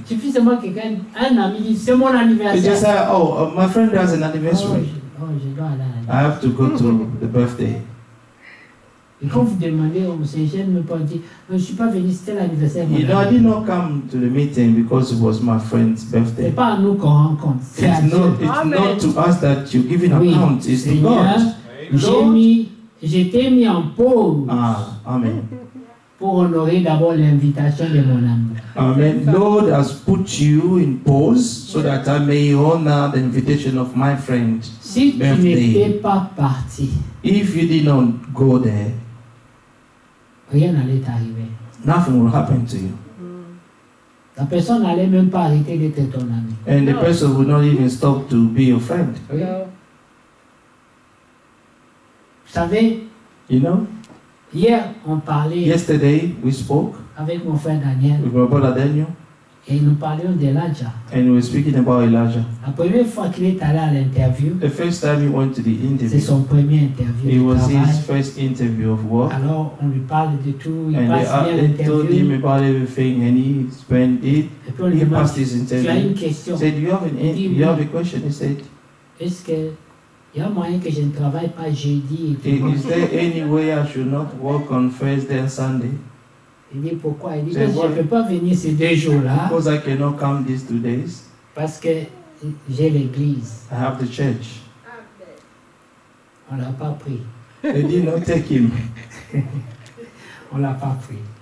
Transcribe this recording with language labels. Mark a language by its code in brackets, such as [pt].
[fr] Suffisamment que quelqu'un, un ami dit, c'est mon anniversaire. [en] You just say, oh, my friend has an anniversary. [fr] Oh, je dois aller à [en] la. I have to go to the birthday. [fr] Et quand vous demandez au Seigneur, ne me pas dire, je ne suis pas venu, c'était l'anniversaire. [en] He did not come to the meeting because it was my friend's birthday. [fr] C'est pas à nous qu'on rencontre. [en] It's not, not to us that you give an account. It's to God. [fr] J'étais mis en pause. [en] Ah, amen. [fr] Pour honorer d'abord l'invitation de mon âme. [en] Amen. Lord has put you in pause so that I may honor the invitation of my friend. [fr] Si [en] birthday. [fr] Tu n'étais pas parti. [en] If you did not go there. [fr] Rien n'allait t'arriver. [en] Nothing will happen to you. [fr] La personne n'allait même pas arrêter d'être ton ami. [en] And the person would not even stop to be your friend. [fr] Vous savez? [en] You know? [fr] Hier, on parlait. [en] Yesterday, we spoke. [fr] Avec mon frère Daniel. [en] With my brother Daniel. [fr] Et nous parlions d'Elijah. [en] And we were speaking about Elijah. [fr] La première fois qu'il est allé à l'interview. [en] The first time he went to the interview. [fr] C'est son premier interview. [en] It was his first interview of work. [fr] Alors, on lui parle de tout. Il [en] and they told him about everything, and he spent it. He passed his interview. [fr] Tu as une question? [en] He said, "You have a question." He said, [fr] "Est-ce que il y a moyen que je ne travaille pas jeudi et dimanche. [en] Is there any way I should not work on Thursday and Sunday?" [fr] Il dit pourquoi? Il dit parce que je ne peux pas venir ces deux jours-là. [en] Because I cannot come these 2 days. [fr] Parce que j'ai l'église. [en] I have the church. [fr] On l'a pas pris. [en] They did not take him. [fr] On l'a pas pris.